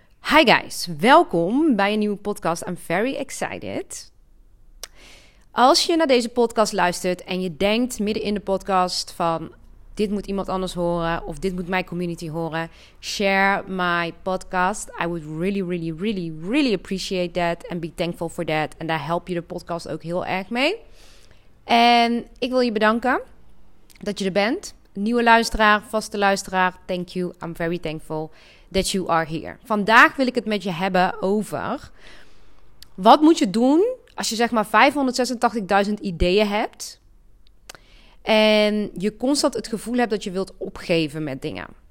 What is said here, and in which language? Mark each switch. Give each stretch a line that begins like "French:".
English: Hi guys,
Dutch: welkom bij een nieuwe podcast.
English: I'm very excited.
Dutch: Als je naar deze podcast luistert en je denkt midden in de podcast van dit moet iemand anders horen of dit moet mijn community horen,
English: share my podcast. I would really, really, really, really appreciate that and be thankful for that.
Dutch: En daar help je de podcast ook heel erg mee. En ik wil je bedanken dat je er bent. Nieuwe luisteraar, vaste luisteraar,
English: thank you. I'm very thankful that you are here.
Dutch: Vandaag wil ik het met je hebben over wat moet je doen als je zeg maar 586.000 ideeën hebt en je constant het gevoel hebt dat je wilt opgeven met dingen.